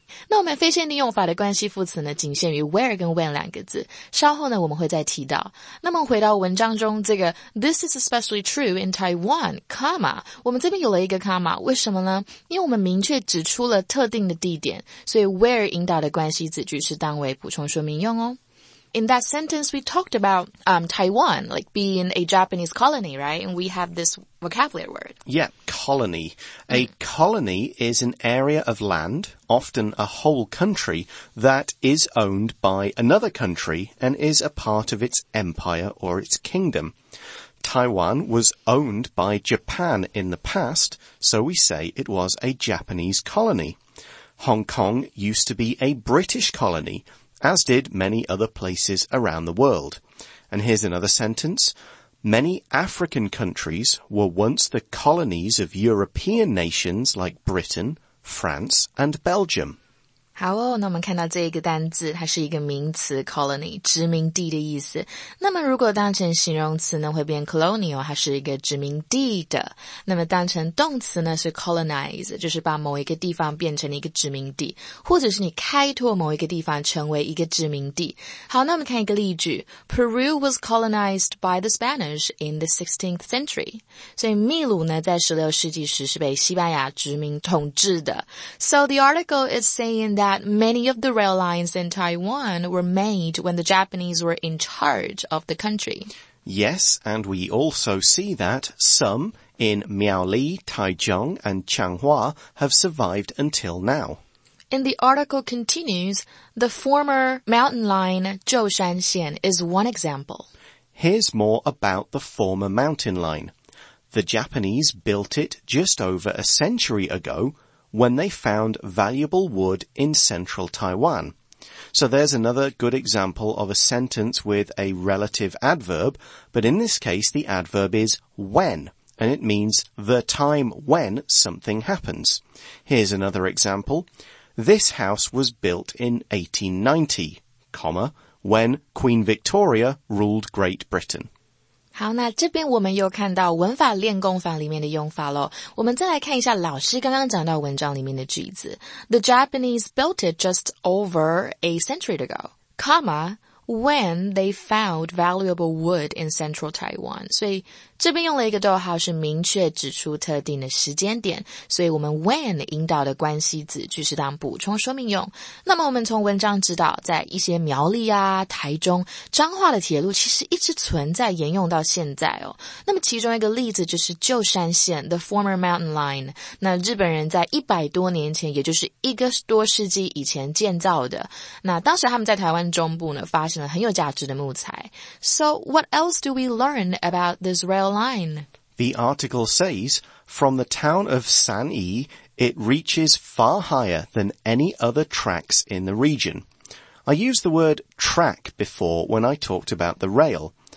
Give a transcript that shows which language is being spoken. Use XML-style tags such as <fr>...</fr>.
<zh>那我们非限定用法的关系副词呢，仅限于 where 跟 when 两个字，稍后呢我们会再提到。那么回到文章中，这个</zh> <en>this is especially true in Taiwan,</en> <zh>comma, 我们这边有了一个 comma, 为什么呢？因为我们明确指出了特定的地点，所以 where 引导的关系子句是当为补充说明用哦。</zh> <en>In that sentence, we talked about Taiwan, like being a Japanese colony, right? And we have this vocabulary word. Yeah, colony. A colony is an area of land, often a whole country, that is owned by another country and is a part of its empire or its kingdom. Taiwan was owned by Japan in the past, so we say it was a Japanese colony. Hong Kong used to be a British colony,as did many other places around the world. And here's another sentence. Many African countries were once the colonies of European nations like Britain, France, and Belgium.</en> <zh>好哦，那我们看到这一个单字，它是一个名词 colony, 殖民地的意思。那么如果当成形容词呢，会变 colonial, 它是一个殖民地的。那么当成动词呢，是 colonize, 就是把某一个地方变成一个殖民地，或者是你开拓某一个地方成为一个殖民地。好，那我们看一个例句。</zh> <en>Peru was colonized by the Spanish in the 16th century.</en> <zh>所以秘鲁呢，在16世纪时是被西班牙殖民统治的。</zh> <en>So the article is sayingthat many of the rail lines in Taiwan were made when the Japanese were in charge of the country. Yes, and we also see that some in Miaoli, Taichung, and Changhua have survived until now. And the article continues, the former mountain line Zhoushan Xian is one example. Here's more about the former mountain line. The Japanese built it just over a century ago,when they found valuable wood in central Taiwan. So there's another good example of a sentence with a relative adverb, but in this case the adverb is when, and it means the time when something happens. Here's another example. This house was built in 1890, comma, when Queen Victoria ruled Great Britain.</en> <zh>好，那这边我们又看到文法练功法里面的用法咯。我们再来看一下老师刚刚讲到文章里面的句子。</zh> <en>The Japanese built it just over a century ago, comma, when they found valuable wood in central Taiwan.</en> <zh>所以这边用了一个逗号是明确指出特定的时间点。所以我们 when 引导的关系子句是当补充说明用。那么我们从文章知道在一些苗栗啊、台中、彰化的铁路其实一直存在沿用到现在哦。那么其中一个例子就是旧山线 The Former Mountain Line。那日本人在100多年前也就是一个多世纪以前建造的。那当时他们在台湾中部呢发现了很有价值的木材。</zh> <en>So what else do we learn about this railroad? Line. The article says, from the town of San Yi, it reaches far higher than any other tracks in the region. I used the word track before when I talked about the rail.</en>